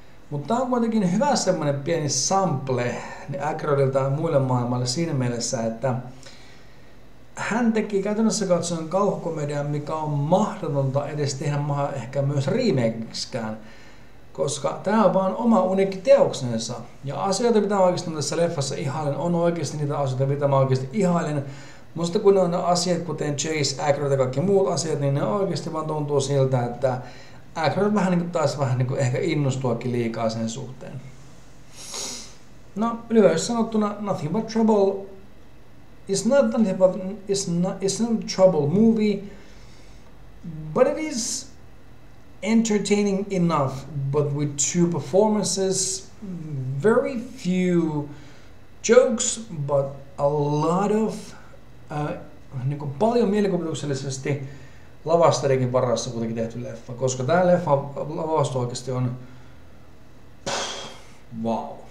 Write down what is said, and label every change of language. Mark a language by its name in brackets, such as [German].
[Finnish] Mutta tämä on kuitenkin hyvä semmoinen pieni sample niin Aykroydilta muille maailmalle siinä mielessä, että hän teki käytännössä katsoen kauhukomedian, mikä on mahdotonta edes tehdä ehkä myös remakeksikään, koska tämä on vaan oma uniikki teoksensa. Ja asioita, mitä mä oikeasti tässä leffassa ihailen, on oikeasti niitä asioita, mitä mä oikeasti ihailen. Mutta kun on asiat, kuten Chase, Aykroyd ja kaikki muut asiat, niin ne oikeasti vaan tuntuu siltä, että Aykroyd vähän niin kuin taas vähän niin kuin ehkä innostuakin liikaa sen suhteen. No, lyhyesti sanottuna, [English] Nothing But Trouble is not nothing but is not trouble movie, but it is entertaining enough, but with two performances, very few jokes, but a lot of [Finnish] niin kuin paljon mielikuvituksellisesti lavastajienkin varassa kuitenkin tehty leffa, koska tämä leffa lavasto oikeasti on wow.